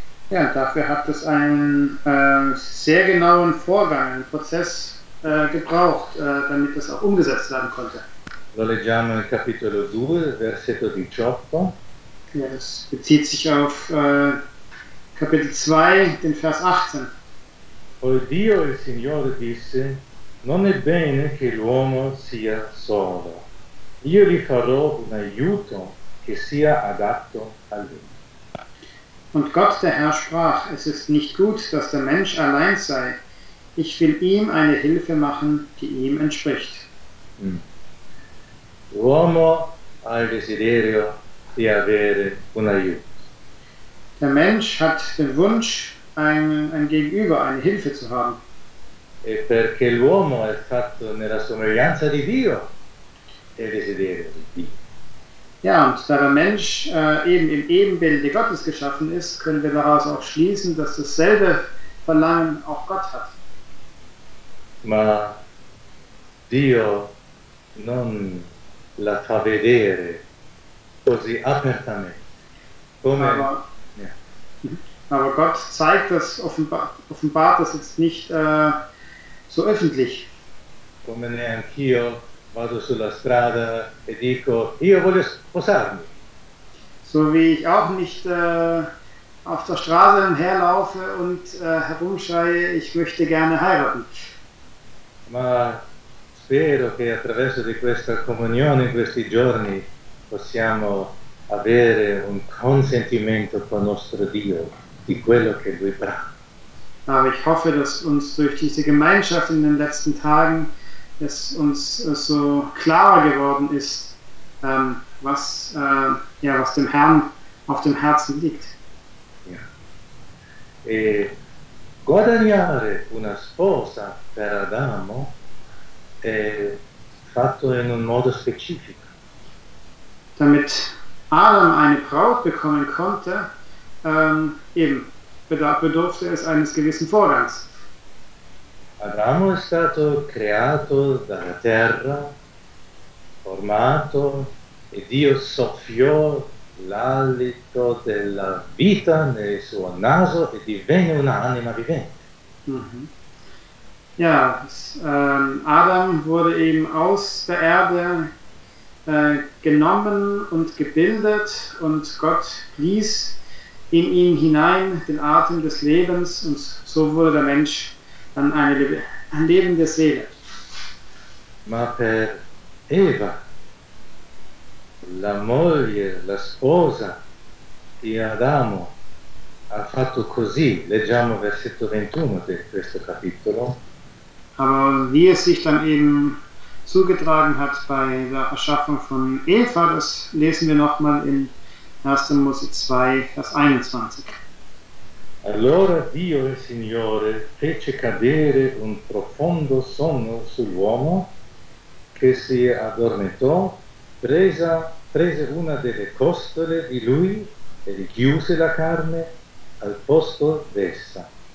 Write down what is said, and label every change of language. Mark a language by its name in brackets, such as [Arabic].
[German] Ja, dafür hat es einen sehr genauen Vorgang, einen Prozess gebraucht, damit das auch umgesetzt werden konnte. [Italian] Lo leggiamo in capitolo 2, versetto 18. [German] Ja, das bezieht sich auf Kapitel 2, den Vers 18. [Italian] Poi Dio il Signore disse, non è bene che l'uomo sia solo. Io gli farò un aiuto che sia adatto a lui. [German] Und Gott der Herr sprach, es ist nicht gut, dass der Mensch allein sei. Ich will ihm eine Hilfe machen, die ihm entspricht. [Italian] L'uomo ha il desiderio di avere un aiuto. [German] Der Mensch hat den Wunsch, ein Gegenüber, eine Hilfe zu haben. [Italian] E perché l'uomo è fatto nella somiglianza di Dio. Il desiderio di Dio. [German] Ja, und da der Mensch eben im Ebenbilde Gottes geschaffen ist, können wir daraus auch schließen, dass dasselbe Verlangen auch Gott hat. [Italian] Ma Dio non la fa vedere così apertamente. Come... [German] Aber Gott zeigt das, offenbart das jetzt nicht so öffentlich. [Italian] Come neanch'io vado sulla strada e dico, io voglio sposarmi. [German] So wie ich auch nicht auf der Straße herlaufe und herumschreie, ich möchte gerne heiraten. [Italian] Ma spero che attraverso di questa comunione in questi giorni possiamo avere un consentimento con nostro Dio di quello che lui prende. [German] Aber ich hoffe, dass uns durch diese Gemeinschaft in den letzten Tagen es uns so klarer geworden ist, was, ja, was dem Herrn auf dem Herzen liegt. Ja. [Italian] E guadagnare una sposa per Adamo è fatto in un modo specifico. [German] Damit Adam eine Braut bekommen konnte, bedurfte es eines gewissen Vorgangs. [Italian] Adamo è stato creato dalla terra, formato, e Dio soffiò l'alito della vita nel suo naso e divenne un'anima vivente. Mm-hmm. [German] Ja, Adam wurde eben aus der Erde genommen und gebildet und Gott ließ in ihn hinein den Atem des Lebens und so wurde der Mensch dann eine lebende Seele. [Italian] Ma per Eva, la moglie, la sposa di Adamo, ha fatto così, leggiamo versetto 21 di questo capitolo. [German] Aber wie es sich dann eben zugetragen hat bei der Erschaffung von Eva, das lesen wir nochmal in 1. Mose 2, Vers 21. [Italian] Allora Dio il Signore fece cadere un profondo sonno sull'uomo che si addormentò, prese una delle costole di lui e richiuse la carne al posto d'essa.